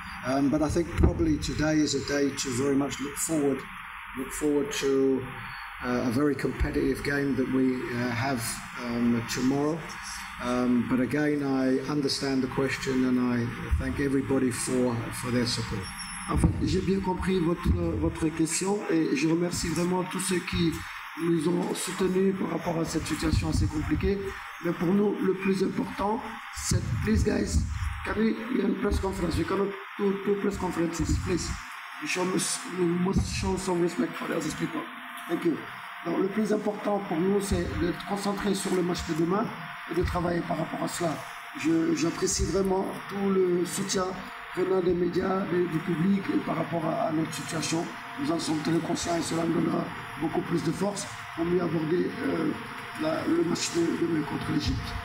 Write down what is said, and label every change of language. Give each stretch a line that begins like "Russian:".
English: But I think probably today is a day to very much look forward to a very competitive game that we have tomorrow. But again, I understand the question and I thank everybody for their support.
French: En fait, j'ai bien compris votre question et je remercie vraiment tous ceux qui nous ont soutenus par rapport à cette situation assez compliquée. Mais pour nous, le plus important, c'est
English: please guys, can we have a press conference? We cannot do two press conferences, please. We must show some respect for these people. Thank you.
French: Donc, le plus important pour nous, c'est de se concentrer sur le match de demain et de travailler par rapport à cela. J'apprécie vraiment tout le soutien venant des médias, du public et par rapport à notre situation. Nous en sommes très conscients et cela nous donnera beaucoup plus de force pour mieux aborder le match de demain contre l'Égypte.